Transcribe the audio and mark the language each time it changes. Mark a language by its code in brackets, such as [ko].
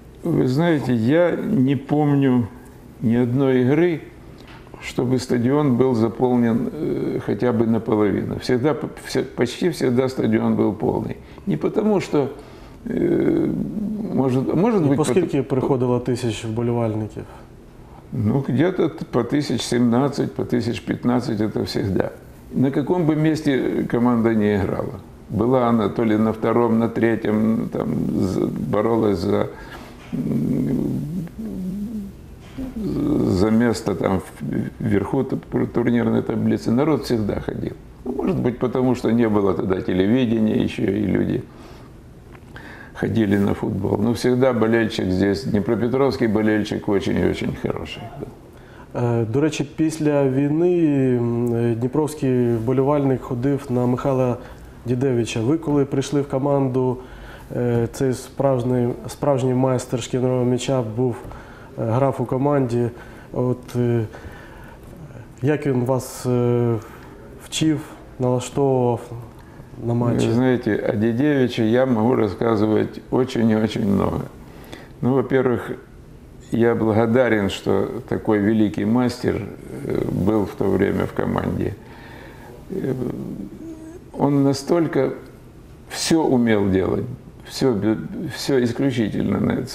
[uk] Ви знаєте, я не помню ні одної гри, щоб стадіон був заповнений хоча б наполовину. [ru] Всегда, [uk] почти завжди стадіон був повний. Не тому, що... Поскільки приходило тисяч вболівальників? [ru] Ну, где-то по 1017, по 1015 это всегда. На каком бы месте команда не играла. Была она то ли на втором, на третьем, там боролась за место там вверху турнирной таблицы. Народ всегда ходил. Ну, может быть, потому что не было тогда телевидения еще, и люди ходили на футбол. Но всегда болельщик здесь, Днепропетровский болельщик, очень-очень хороший был. [uk] До речі, після війни дніпровський вболівальник ходив на Михайла Дідевича. Ви коли прийшли в команду, цей справжній майстер шкіряного м'яча був, грав у команді. От як він вас вчив, налаштовував на матчі? Ви знаєте, о Дідевичі я можу розказувати дуже-дуже багато. [ru] Ну, во-первых, я благодарен, что такой великий мастер был в то время в команде. Он настолько все умел делать, все исключительно.